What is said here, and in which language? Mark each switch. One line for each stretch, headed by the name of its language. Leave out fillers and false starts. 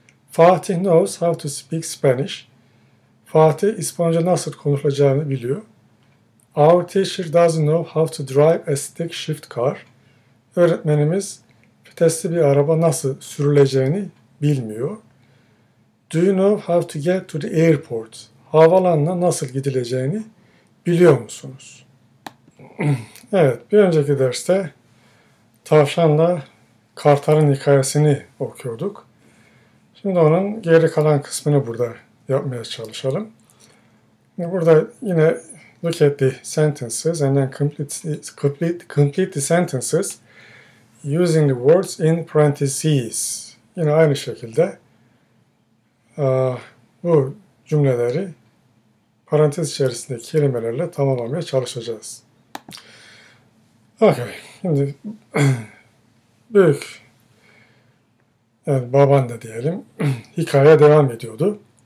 English: Fatih knows how to speak Spanish.
Turkish: Fatih İspanyolca nasıl konuşulacağını biliyor.
English: Our teacher doesn't know how to drive a stick shift car.
Turkish: öğretmenimiz vitesli bir araba nasıl sürüleceğini bilmiyor.
English: Do you know how to get to the airport?
Turkish: Havalanına nasıl gidileceğini biliyor musunuz? Evet, bir önceki derste tavşanla kartalın hikayesini okuyorduk. Şimdi onun geri kalan kısmını burada yapmaya çalışalım. Burada yine
English: look at the sentences and then complete the sentences using the words in parentheses.
Turkish: Yine aynı şekilde bu cümleleri parantez içerisindeki kelimelerle tamamlamaya çalışacağız. Okay, şimdi büyük, yani baban da diyelim, hikaye devam ediyordu.